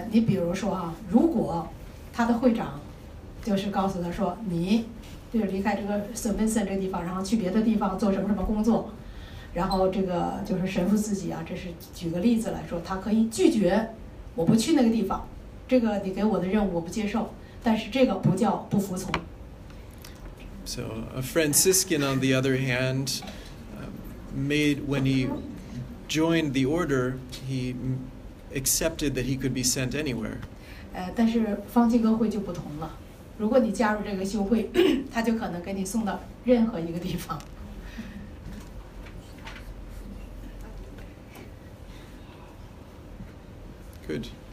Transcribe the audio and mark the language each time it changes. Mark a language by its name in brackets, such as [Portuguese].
[Chinese] 你比如说啊，如果他的会长就是告诉他说，你就是离开这个 Saint Vincent 这个地方，然后去别的地方做什么什么工作，然后这个就是神父自己啊，这是举个例子来说，他可以拒绝，我不去那个地方，这个你给我的任务我不接受，但是这个不叫不服从。 [English] So a Franciscan, on the other hand, made when he. Joined the order, he accepted that he could be sent anywhere. [Chinese] 但是方济各会就不同了。如果你加入这个修会，他就可能给你送到任何一个地方。 [English] Good.